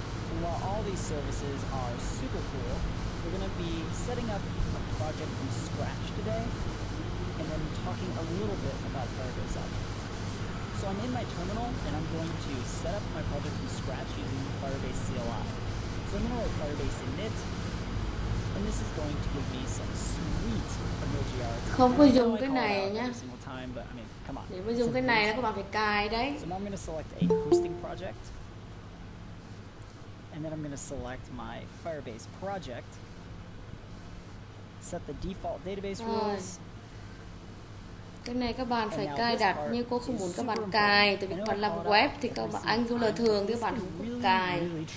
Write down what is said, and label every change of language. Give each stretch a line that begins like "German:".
English: And while all these services are super cool, we're going to be setting up a project from scratch today and then talking a little bit about Firebase Objects. So I'm in my terminal and I'm going to set up my project from scratch using Firebase CLI. So I'm going to write Firebase init, and this is going to give me some sweet emoji arts.
Vietnamese: Không có dùng cái này nhá.
English: Time, but, I mean, come on.
Vietnamese: Nếu mà dùng cái này là các bạn phải cài đấy.
English: So now I'm going to select a hosting project. And then I'm going to select my Firebase project. Set the default database rules.
Vietnamese: Cái này các bạn phải cài đặt, như cô không muốn các bạn cài, tại vì bạn làm web thì các bạn anh Angular thường thì các bạn không có cài.